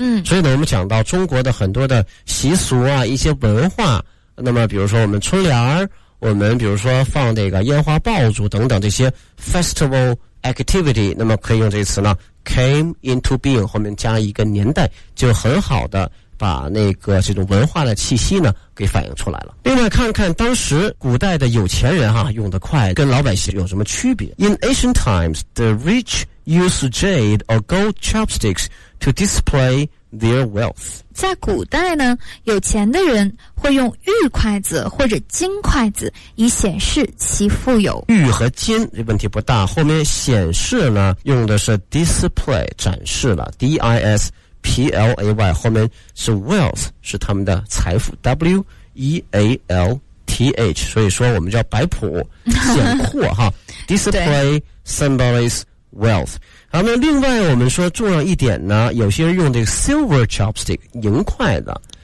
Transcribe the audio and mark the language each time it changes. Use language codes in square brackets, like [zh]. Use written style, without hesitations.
[zh] 所以呢，我们讲到中国的很多的习俗啊，一些文化，那么比如说我们春联，我们比如说放这个烟花爆竹等等这些 [en] festival activity， [zh] 那么可以用这个词呢 ， [en] came into being [zh] 后面加一个年代，就很好的。把那个这种文化的气息呢给反映出来了。另外看看当时古代的有钱人用的筷跟老百姓有什么区别。 [en] In ancient times, the rich used jade or gold chopsticks to display their wealth. [zh] 在古代呢，有钱的人会用玉筷子或者金筷子以显示其富有。玉和金这问题不大，后面显示呢用的是 display, 展示了 D-I-S,P-L-A-Y 后面是 wealth 是他们的财富 W-E-A-L-T-H 所以说我们叫摆谱显阔哈 [en] display symbolize wealth [zh] 好那另外我们说重要一点呢有些人用这个 [en] silver chopstick [zh] 银筷子